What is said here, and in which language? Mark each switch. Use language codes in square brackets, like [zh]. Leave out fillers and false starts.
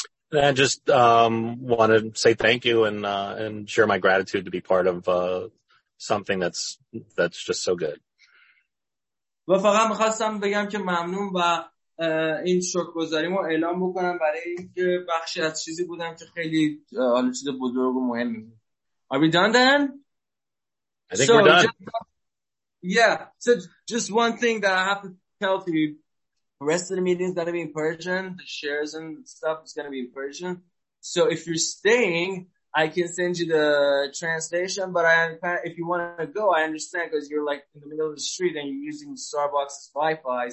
[en] And I just want to say thank you and share my gratitude to be part of something that's just so good. [fa] و فقط می‌خواستم بگم که ممنون و این شکرگزاریم رو اعلام بکنم برای اینکه بخشی از چیزی بودم که خیلی حال چیز بزرگ و مهمی. [en] Are we done then? I think we're done. So just one thing that I have to tell to you. The rest of the meeting is going to be in Persian. The shares and stuff is going to be in Persian. So if you're staying, I can send you the translation. But if you want to go, I understand because you're like in the middle of the street and you're using Starbucks Wi-Fi.